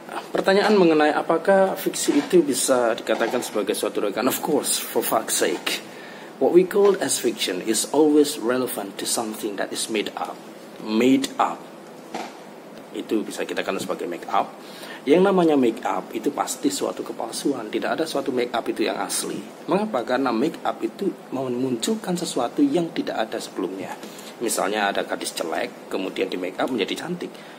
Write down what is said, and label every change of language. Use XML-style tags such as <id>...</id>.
<id>Pertanyaan mengenai apakah fiksi itu bisa dikatakan sebagai suatu rekaan?</id> <en>Of course, for fuck's sake. What we call as fiction is always relevant to something that is made up. Made up.</en> <id>Itu bisa kita katakan sebagai make up. Yang namanya make up itu pasti suatu kepalsuan. Tidak ada suatu make up itu yang asli. Mengapa? Karena make up itu memunculkan sesuatu yang tidak ada sebelumnya. Misalnya ada gadis jelek, kemudian di make up menjadi cantik.</id>